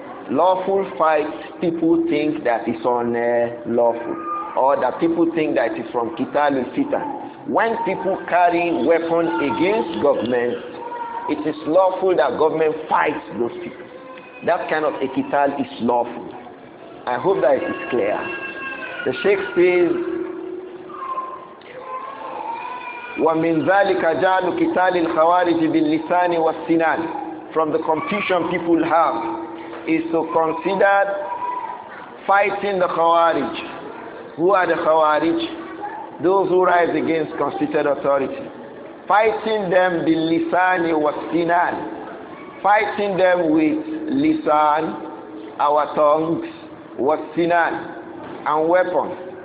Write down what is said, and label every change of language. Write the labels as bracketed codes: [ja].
[en] Lawful fight, people think that it's unlawful. Or that people think that it's from Qital al-Fitan. When people carry weapons against government, it is lawful that government fights those people. That kind of Qital is lawful. I hope that it is clear. The Sheikh says, [ar] وَمِنْ ذَلِكَ جَعْلُ قِتَالِ الْخَوَارِجِ بِاللِّسَانِ وَالسِّنَانِ. [en] From the confusion people have is to consider fighting the Khawarij. Who are the Khawarij? Those who rise against constituted authority. Fighting them [ar] بِاللِّسَانِ وَالسِّنَانِ. [en] Fighting them with lisan, our tongues, [ar] وَالسِّنَانِ, [en] and weapons.